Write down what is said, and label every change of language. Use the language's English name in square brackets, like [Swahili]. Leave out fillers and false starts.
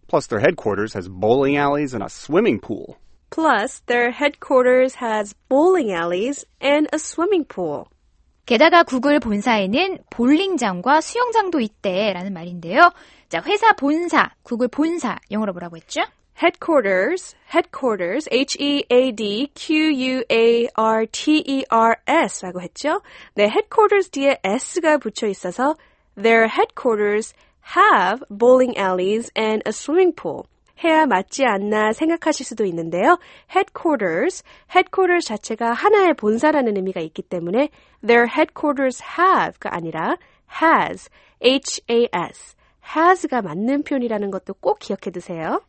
[English] Plus their headquarters has bowling alleys and a swimming pool. Plus their headquarters has bowling alleys and a swimming pool. [Korean] 게다가 구글 본사에는 볼링장과 수영장도 있대라는 말인데요. 자, 회사 본사, 구글 본사, 영어로 뭐라고 했죠? [English] Headquarters, headquarters, H-E-A-D-Q-U-A-R-T-E-R-S [Korean] 라고 했죠? [English] 네, headquarters [Korean] 뒤에 S가 붙여 있어서 [English] their headquarters have bowling alleys and a swimming pool. [Korean] 해야 맞지 않나 생각하실 수도 있는데요. Headquarters, headquarters 자체가 하나의 본사라는 의미가 있기 때문에 [English] their headquarters have [Korean] 가 아니라 has, H-A-S, has가 맞는 표현이라는 것도 꼭 기억해 두세요.